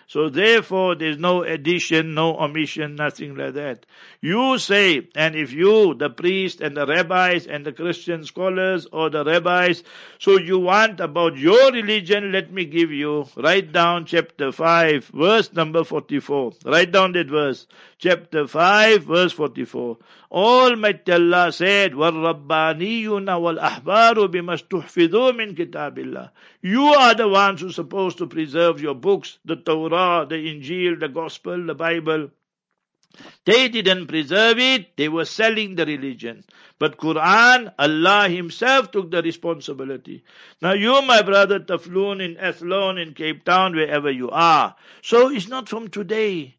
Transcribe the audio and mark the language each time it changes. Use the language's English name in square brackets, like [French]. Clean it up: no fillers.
[English] So therefore, there's no addition, no omission, nothing like that. You say, and if you, the priest and the rabbis and the Christian scholars or the rabbis, so you want about your religion, let me give you, write down chapter 5, verse number 44. Write down that verse. Chapter 5, verse 44. Almighty Allah said, [Arabic] وَالْرَبَّانِيُّنَا وَالْأَحْبَارُ بِمَا اسْتُحْفِذُوا مِنْ كِتَابِ اللَّهِ. [English] You are the ones who are supposed to preserve your books, the Torah, the Injil, the Gospel, the Bible. They didn't preserve it, they were selling the religion. But Quran, Allah Himself took the responsibility. Now you, my brother Tafloon in Athlone, in Cape Town, wherever you are, so it's not from today.